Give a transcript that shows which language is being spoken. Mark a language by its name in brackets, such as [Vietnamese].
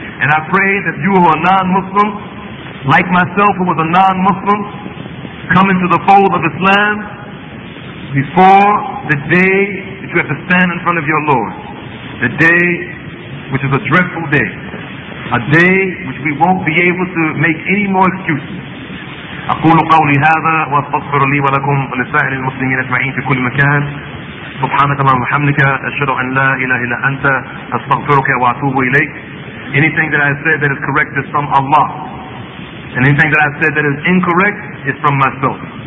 [English] And I pray that you who are non-Muslim, like myself who was a non-Muslim, come into the fold of Islam before the day you have to stand in front of your Lord, the day which is a dreadful day, a day which we won't be able to make any more excuses. [Arabic] أقول قولي هذا وأستغفر لي ولكم ولسائر المسلمين أجمعين في كل مكان. سبحانك اللهم وبحمدك أشهد أن لا إله إلا أنت أستغفرك وأتوب إليك. [English] Anything that I have said that is correct is from Allah, and anything that I have said that is incorrect is from myself.